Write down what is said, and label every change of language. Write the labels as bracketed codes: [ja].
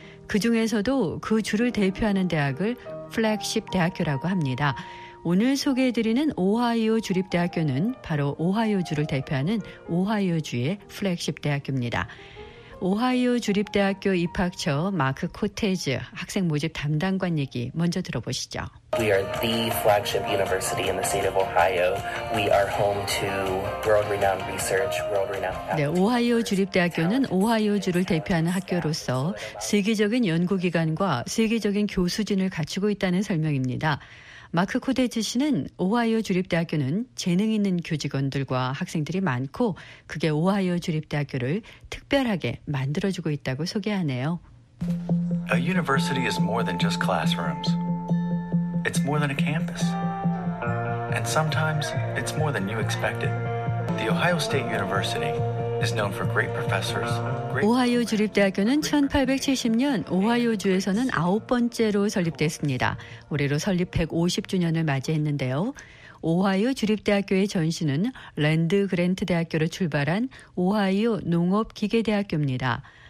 [ko] 그 중에서도 그 주를 대표하는 대학을 플래그십 대학교라고 합니다. 오늘 소개해드리는 오하이오 주립대학교는 바로 오하이오주를 대표하는 오하이오주의 플래그십 대학교입니다. 오하이오 주립대학교 입학처 마크 코테즈 학생 모집 담당관 얘기 먼저 들어보시죠. [en] We are the flagship university in the state of Ohio. We are home to world-renowned research, world-renowned. [ko] 네, 오하이오 주립대학교는 오하이오주를 대표하는 학교로서 세계적인 연구기관과 세계적인 교수진을 갖추고 있다는 설명입니다. 마크 코데즈 씨는 오하이오 주립대학교는 재능 있는 교직원들과 학생들이 많고 그게 오하이오 주립대학교를 특별하게 만들어주고 있다고 소개하네요. [en] A university is more than just classrooms. It's more than a campus. And sometimes it's more than you expected. The Ohio State University is known for great professors. [ko] 오하이오 주립대학교는 1870년 오하이오주에서는 9번째로 설립됐습니다. 올해로 설립 150주년을 맞이했는데요. 오하이오 주립대학교의 전신은 랜드 그랜트 대학교로 출발한 오하이오 농업기계대학교입니다.